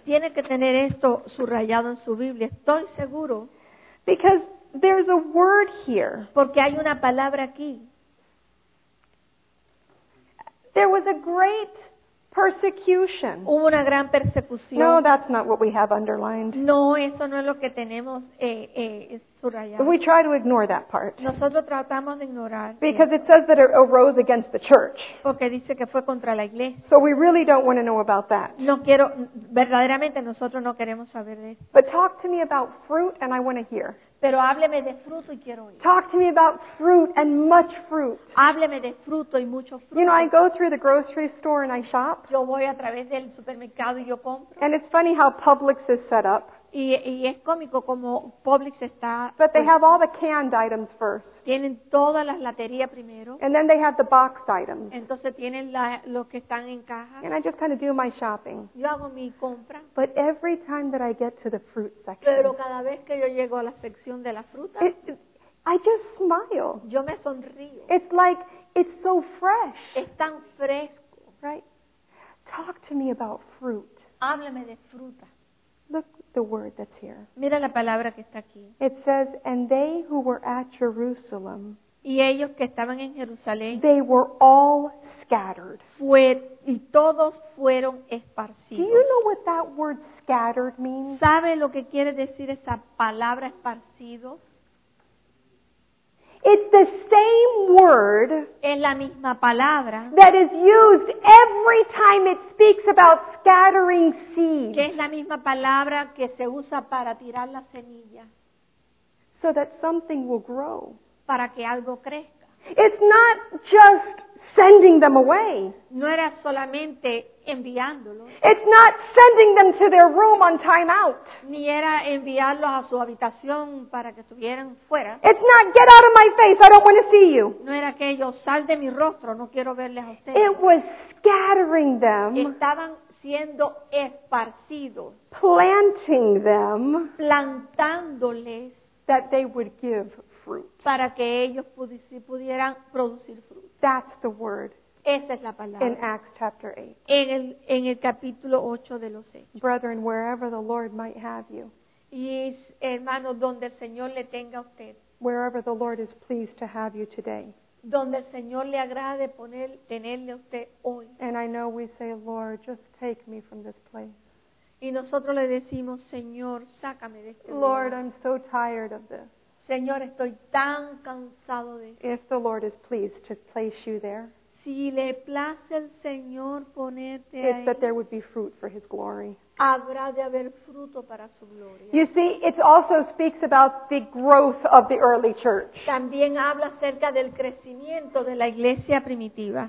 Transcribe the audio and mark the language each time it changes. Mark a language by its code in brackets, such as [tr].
[es] Tiene que tener esto subrayado en su Biblia, estoy seguro. [en] Because there's a word here. [es] Porque hay una palabra aquí. [en] There was a great persecution. [es] Hubo una gran persecución. [en] No, that's not what we have underlined. [es] No, eso no es lo que tenemos subrayado. [en] We try to ignore that part. [es] Nosotros tratamos de ignorar. [en] Because it says that it arose against the church. [es] Porque dice que fue contra la iglesia. [en] So we really don't want to know about that. [es] No quiero, verdaderamente nosotros no queremos saber de eso. [en] But talk to me about fruit and I want to hear. [es] Pero hábleme de fruto y quiero oír. [en] Talk to me about fruit and much fruit. [es] Hábleme de fruto y mucho fruto. [en] You know, I go through the grocery store and I shop. [es] Yo voy a través del supermercado y yo compro. [en] And it's funny how Publix is set up. [es] Y es cómico como Publix está. [en] But they have all the canned items first. [es] Tienen todas las laterías primero. [en] And then they have the boxed items. [es] Entonces tienen los que están en caja. [en] And I just kind of do my shopping. [es] Yo hago mi compra. [en] But every time that I get to the fruit section. [es] Pero cada vez que yo llego a la sección de la fruta. [en] I just smile. [es] Yo me sonrío. [en] It's like, it's so fresh. [es] Es tan fresco. [en] Right? Talk to me about fruit. [es] Hábleme de fruta. [en] Look the word that's here. [es] Mira la palabra que está aquí. [en] It says, and they who were at Jerusalem, [es] y ellos que estaban en Jerusalén, [en] they were all scattered. [es] Y todos fueron esparcidos. [en] Do you know what that word scattered means? [es] ¿Sabe lo que quiere decir esa palabra esparcido? [en] It's the same word, [es] es la misma palabra, [en] that is used every time it speaks about scattering seed. [es] Que es la misma palabra que se usa para tirar la semilla. [en] So that something will grow. [es] Para que algo crezca. [en] It's not just sending them away. [es] No era solamente enviándolos. [en] It's not sending them to their room on time out. [es] Ni era enviarlos a su habitación para que estuvieran fuera. [en] It's not get out of my face, I don't want to see you. [es] No era aquello, sal de mi rostro, no quiero verles a ustedes. [en] It was scattering them. [es] Estaban siendo esparcidos. [en] Planting them. [es] Plantándoles. [en] That they would give fruit. [es] Para que ellos pudieran producir fruto. [en] That's the word. [es] Esa es la palabra. [en] In Acts chapter 8. [es] En el capítulo 8 de los Hechos. [en] Brethren, wherever the Lord might have you. [es] Y hermano, donde el Señor le tenga a usted. [en] Wherever the Lord is pleased to have you today. [es] Donde el Señor le agrade tenerle a usted hoy. [en] And I know we say, Lord, just take me from this place. [es] Y nosotros le decimos, Señor, sácame de este lugar. [en] Lord, I'm so tired of this. [es] Señor, estoy tan cansado de esto. [en] If the Lord is pleased to place you there. [es] Si le place el Señor ponerte [en] it's [es] ahí, [en] that there would be fruit for his glory. [es] Habrá de haber fruto para su gloria. [en] You see, it also speaks about the growth of the early church. [es] También habla acerca del crecimiento de la iglesia primitiva.